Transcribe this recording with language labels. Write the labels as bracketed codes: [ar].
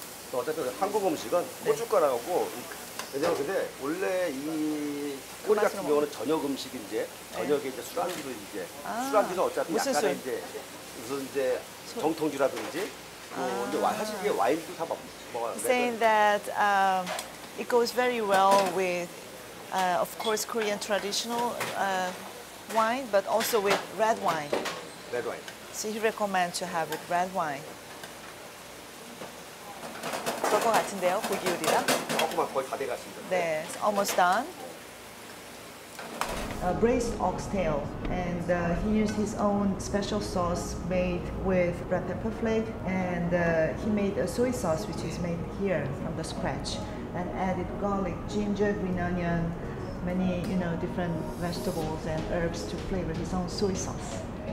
[ko] 또 어차피 한국 음식은 네. 고춧가루하고. 근데 원래 이 꼬리 같은 경우는 저녁 음식 이제 저녁에 이제 술안주로 이제 술안주는 어차피 약간 이제 우선 이제 정통주라든지 이제 사실 이게 와인도 다 먹어요. [en] Saying that it goes very well with of course Korean traditional wine, but also with red wine. Red wine. So he recommends to have with red wine. [ko] 그럴 것 같은데요, 고기율이랑. 네, [en] it's almost done. Braised oxtail, and he used his own special sauce made with red pepper flake, and he made a soy sauce which is made here from the scratch, and added garlic, ginger, green onion, many different vegetables and herbs to flavor his own soy sauce.